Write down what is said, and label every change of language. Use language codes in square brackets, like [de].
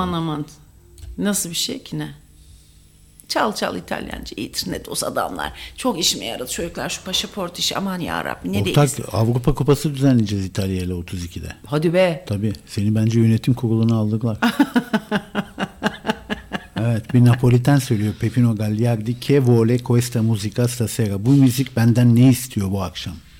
[tr] Aman aman. Nasıl bir şey ki ne? Çal çal İtalyanca. İtirne toz adamlar. Çok işime yaradı çocuklar şu pasaport işi. Aman yarabbim ne ortak deyiz? Avrupa Kupası düzenleyeceğiz İtalya ile 32'de. Hadi be. Tabii. Seni bence yönetim kuruluna aldılar. Evet, bir Napoliten söylüyor. [it] Pepino Gagliardi, che vuole questa musica stasera? [tr] Bu müzik benden ne istiyor bu akşam?